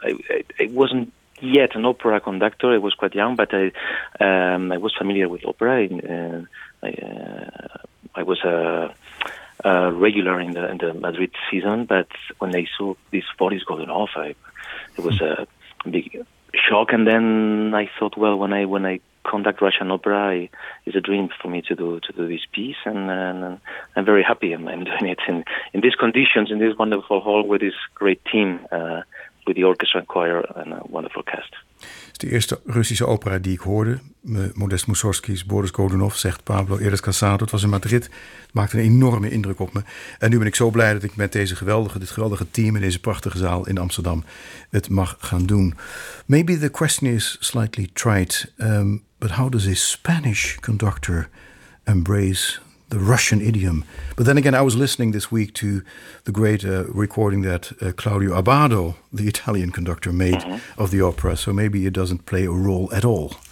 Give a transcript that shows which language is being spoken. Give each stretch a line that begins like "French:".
English: I wasn't yet an opera conductor, I was quite young, but I was familiar with opera, and I was a regular in the Madrid season, but when I saw this Boris Godunov, it was a big shock. And then I thought, well, when I conduct Russian opera, it's a dream for me to do this piece, and I'm very happy I'm doing it in these conditions, in this wonderful hall with this great team, with the orchestra and choir and a wonderful cast.
Dutch: Het is de eerste Russische opera die ik hoorde. Modest Mussorgsky's Boris Godunov, zegt Pablo Heras Casado. Het was in Madrid. Het maakte een enorme indruk op me. En nu ben ik zo blij dat ik met dit geweldige team in deze prachtige zaal in Amsterdam het mag gaan doen.
English: Maybe the question is slightly trite. But how does a Spanish conductor embrace the Russian idiom? But then again, I was listening this week to the great recording that Claudio Abbado, the Italian conductor, made mm-hmm. of the opera. So maybe it doesn't play a role at all.